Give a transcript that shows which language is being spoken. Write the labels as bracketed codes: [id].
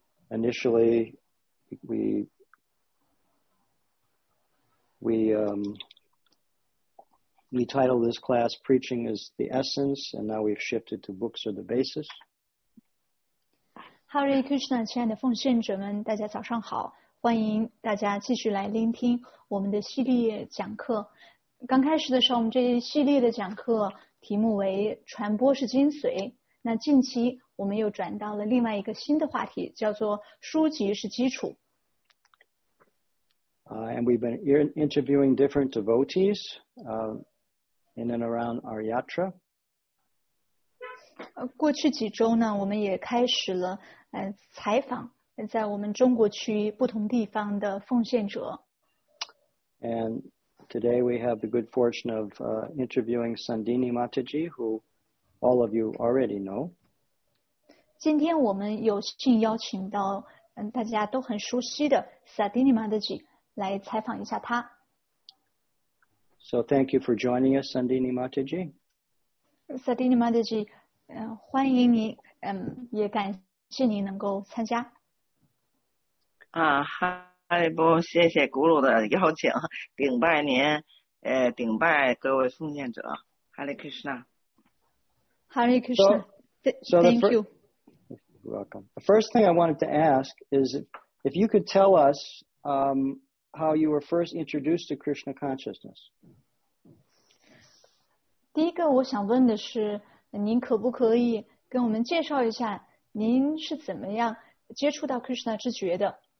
[en] Initially, we titled this class "Preaching is the Essence," and now we've shifted to "Books are the Basis." [zh] Hare Krishna, 亲爱的奉献者们，大家早上好。欢迎大家继续来聆听我们的系列讲课。刚开始的时候，我们这一系列的讲课题目为“传播是精髓”。那近期我们又转到了另外一个新的话题，叫做“书籍是基础”。 [en] And we've been interviewing different devotees, in and around our yatra. [zh] 过去几周呢，我们也开始了采访。在我们中国区不同地方的奉献者。 [en] And today we have the good fortune of interviewing Sandini Mataji, who all of you already know. [zh] 今天我们有幸邀请到大家都很熟悉的 Sandini Mataji 来采访一下他。 [en] So thank you for joining us, Sandini Mataji. [zh] Sandini Mataji, 欢迎你，也感谢你能够参加。嗨波，谢谢古鲁的邀请，顶拜您，顶拜各位奉献者，哈利克什纳。 [en] 哈利克什纳 ，Thank you. You're welcome. The first thing I wanted to ask is if you could tell us, how you were first introduced to Krishna consciousness. [zh] 第一个我想问的是，您可不可以跟我们介绍一下，您是怎么样接触到 Krishna 知觉的？